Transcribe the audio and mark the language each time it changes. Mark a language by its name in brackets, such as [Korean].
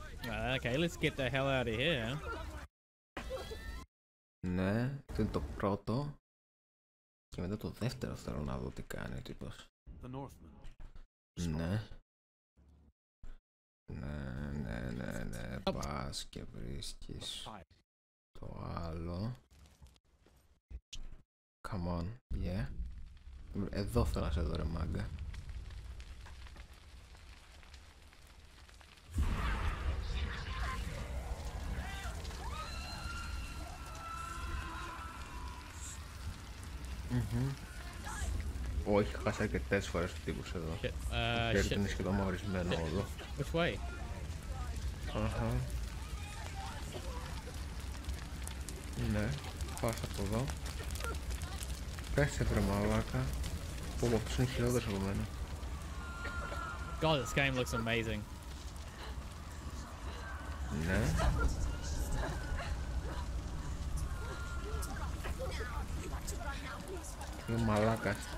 [English] Okay, let's get the hell out of here. [Greek] Ναι, τι είναι το πρώτο. Και μετά το δεύτερο θέλω να δω τι κάνει ο τύπος. Ναι. Ναι, ναι, ναι, ναι. Πας και βρίσκεις το άλλο. [English] Come on, yeah. [Greek] Εδώ θέλω να σε δω ρε μάγκα. Mm-hmm. Όχι, χάσα αρκετές φορές το τύπος εδώ. Και έρθει είναι σχεδόν μαυρισμένο όλο. [English] Which way? [Greek] Ναι, πας από εδώ. Πέσε βρε μαλάκα. Πω πω, αυτός είναι χειρότερος από μένα. [English] God, this game looks amazing. [Greek] Ναι. Είναι μαλάκας.